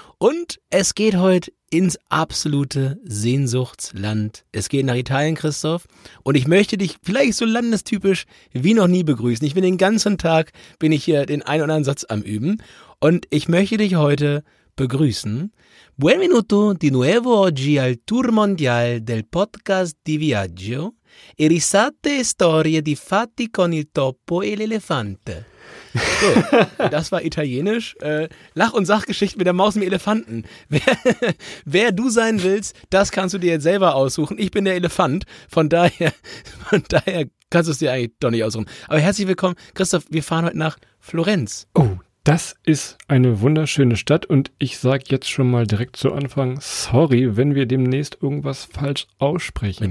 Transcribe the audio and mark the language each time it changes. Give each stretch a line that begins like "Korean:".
German: Und es geht heute ins absolute Sehnsuchtsland. Es geht nach Italien, Christoph. Und ich möchte dich vielleicht so landestypisch wie noch nie begrüßen. Ich bin den ganzen Tag, bin ich hier den einen oder anderen Satz am Üben. Und ich möchte dich heute begrüßen.
Italian: Benvenuto di nuovo oggi al Tour Mondial del Podcast di Viaggio. E risate e storie di fatti con il topo e l'elefante.
German: So, das war italienisch. Lach- und Sachgeschichten mit der Maus und dem Elefanten. Wer du sein willst, das kannst du dir jetzt selber aussuchen. Ich bin der Elefant, von daher kannst du es dir eigentlich doch nicht aussuchen. Aber herzlich willkommen, Christoph, wir fahren heute nach Florenz. Oh, das ist eine wunderschöne Stadt und ich sag jetzt schon mal direkt zu Anfang, sorry, wenn wir demnächst irgendwas falsch aussprechen.